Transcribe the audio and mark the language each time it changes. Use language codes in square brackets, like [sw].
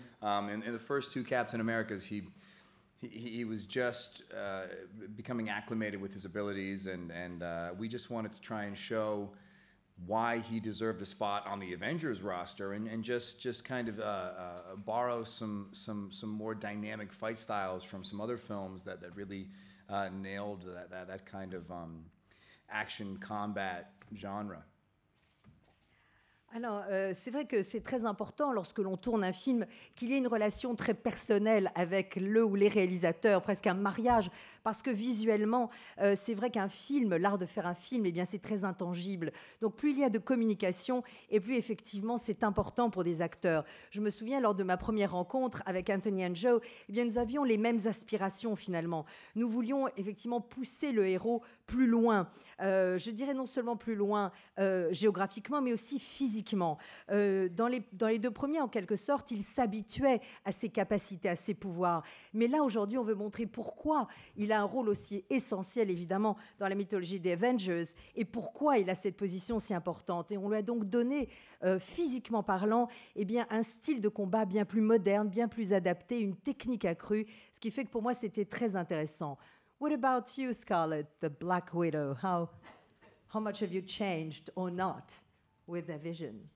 [en] In the first two Captain Americas, he was just becoming acclimated with his abilities, and we just wanted to try and show why he deserved a spot on the Avengers roster, and just kind of borrow some more dynamic fight styles from some other films that really nailed that kind of action combat genre. [fr] Alors, c'est vrai que c'est très important lorsque l'on tourne un film qu'il y ait une relation très personnelle avec le ou les réalisateurs, presque un mariage, parce que visuellement, c'est vrai qu'un film, l'art de faire un film, eh bien, c'est très intangible. Donc plus il y a de communication, et plus effectivement c'est important pour des acteurs. Je me souviens lors de ma première rencontre avec Anthony and Joe, eh bien, nous avions les mêmes aspirations finalement. Nous voulions effectivement pousser le héros plus loin. Je dirais non seulement plus loin géographiquement, mais aussi physiquement. Dans les deux premiers, en quelque sorte, il s'habituait à ses capacités, à ses pouvoirs. Mais là, aujourd'hui, on veut montrer pourquoi il a un rôle aussi essentiel, évidemment, dans la mythologie des Avengers, et pourquoi il a cette position si importante. Et on lui a donc donné, physiquement parlant, eh bien, un style de combat bien plus moderne, bien plus adapté, une technique accrue, ce qui fait que pour moi, c'était très intéressant. [en] What about you, Scarlett, the Black Widow? How much have you changed or not with the Vision?